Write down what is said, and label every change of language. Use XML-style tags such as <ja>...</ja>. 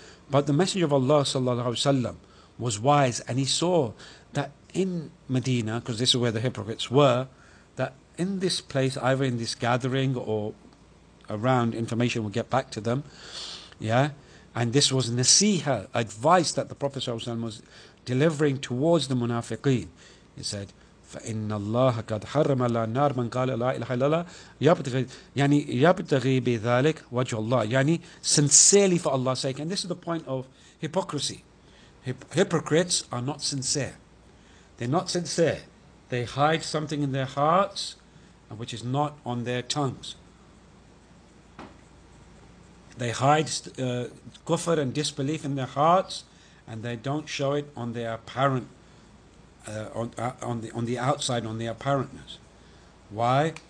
<en>But the messenger of Allah sallallahu alaihi wasallam was wise, and he saw that in Medina, because this is where the hypocrites were, that in this place, either in this gathering or around, information will get back to them. Yeah, and this was nasiha, advice that the Prophet sallallahu alaihi wasallam was delivering towards the munafiqeen.</en> <ar>He said, فَإِنَّ اللَّهَ قَدْ حَرَّمَ لَا النَّارِ مَنْ قَالَ لَا إِلَهَ إِلَّا اللَّهَ يَبْتَغِي بِذَلِكْ وَجْهُ اللَّهِ.</ar> <en>Yani, sincerely for Allah's sake. And this is the point of hypocrisy. Hypocrites are not sincere. They're not sincere. They hide something in their hearts which is not on their tongues. They hide kufr and disbelief in their hearts, and they don't show it on their apparent on the outside, on the apparentness. Why?</en>